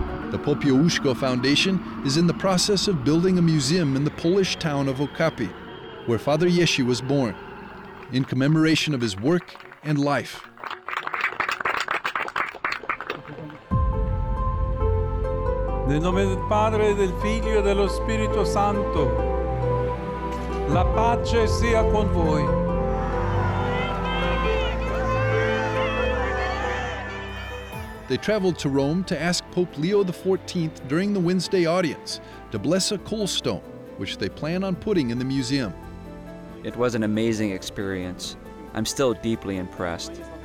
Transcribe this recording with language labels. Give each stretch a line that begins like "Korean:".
English: The Popiełuszko Foundation is in the process of building a museum in the Polish town of Okapi, where Father Yeji was born, in commemoration of his work and life.
Italian: Nel nome del Padre, del Figlio e dello Spirito Santo, la pace sia con voi.
English: They traveled to Rome to ask Pope Leo XIV during the Wednesday audience to bless a coal stone, which they plan on putting in the museum. It was an amazing experience. I'm still deeply impressed.